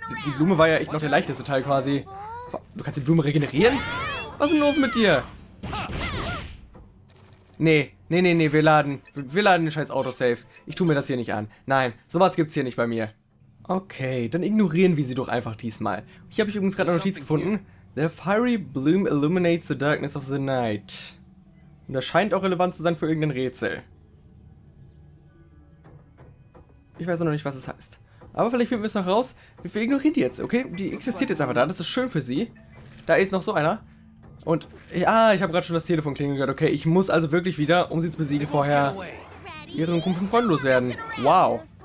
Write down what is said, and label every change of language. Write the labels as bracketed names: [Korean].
[German] Die Blume war ja echt noch der leichteste Teil quasi. Du kannst die Blume regenerieren? Was ist denn los mit dir? Nee, wir laden. Wir laden den scheiß Autosave. Ich tue mir das hier nicht an. Nein, sowas gibt's hier nicht bei mir. Okay, dann ignorieren wir sie doch einfach diesmal. Hier habe ich übrigens gerade eine Notiz gefunden. [English] The fiery bloom illuminates the darkness of the night. [German] Und das scheint auch relevant zu sein für irgendein Rätsel. Ich weiß auch noch nicht, was es heißt. Aber vielleicht finden wir es noch raus. Wir ignorieren die jetzt, okay? Die existiert jetzt einfach da. Das ist schön für sie. Da ist noch so einer. Und, ich habe gerade schon das Telefon klingeln gehört. Okay, ich muss also wirklich wieder, um sie zu besiegen, vorher ihren Kumpel Freund loswerden. Wow.